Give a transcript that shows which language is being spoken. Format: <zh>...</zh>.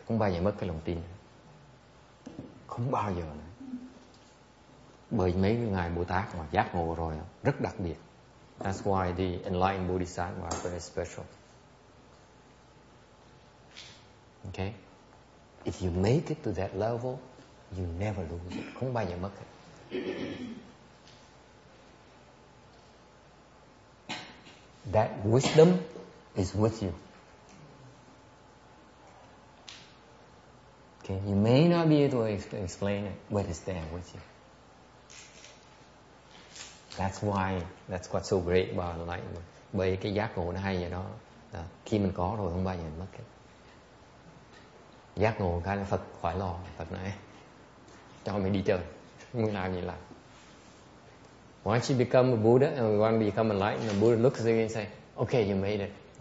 <vi>Không bao giờ mất cái lòng tin. Không bao giờ nữa. Bởi mấy ngài Bồ Tát mà giác ngộ rồi, rất đặc biệt.</vi> <en>That's why the enlightened Bodhisattva are very special. Okay? If you make it to that level, you never lose it.</en> <vi>Không bao giờ mất it.</vi> <en>That wisdom is with you. Okay? You may not be able to explain it, but it's there with you. That's why, that's what's so great about enlightenment.</en> <vi>Bởi cái giác ngộ nó hay vậy đó. Đó. Khi mình có rồi không bao giờ mất cái. Giác ngộ cái là Phật khỏi lo. Phật nói, cho mình đi chơi. Muốn làm gì làm.</vi> <en>Once you become a Buddha, and you want to become enlightened, the Buddha looks at you and says, okay, you made it.</en>